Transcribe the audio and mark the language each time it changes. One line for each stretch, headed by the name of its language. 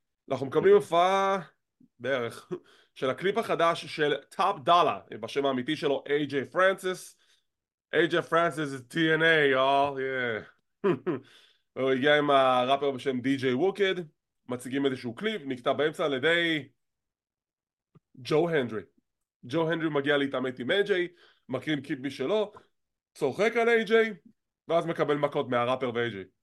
Hebrew: אנחנו מקבלים הופעה, בערך, של הקליפ החדש של טופ דאלה, בשם האמיתי שלו, AJ Francis.
English: AJ Francis is TNA, y'all, yeah.
Hebrew: הוא הגיע עם הראפר בשם DJ Wicked, מציגים איזשהו קליפ, נקטע באמצע על ידי ג'ו הנדרי. ג'ו הנדרי מגיע להתעמת עם AJ, מקרין קליפ משלו, צוחק על AJ, ואז מקבל מכות מהראפר ו-AJ.